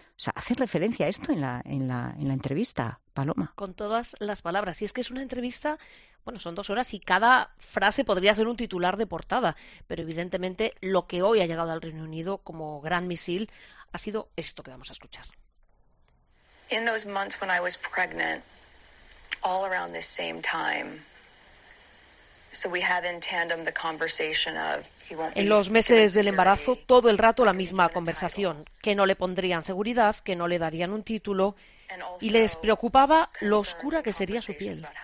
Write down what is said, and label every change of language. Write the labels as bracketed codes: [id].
[es] O sea, hacer referencia a esto en la entrevista, Paloma. Con todas las palabras. Y es que es una entrevista... Bueno, son 2 horas y cada frase podría ser un titular de portada, pero evidentemente lo que hoy ha llegado al Reino Unido como gran misil ha sido esto que vamos a escuchar. [en] In those months when I was pregnant, all around this same time, so we have in tandem the conversation of he won't be. [es] En los meses del embarazo, todo el rato la misma conversación, que no le pondrían seguridad, que no le darían un título. Y les preocupaba lo oscura que sería su piel.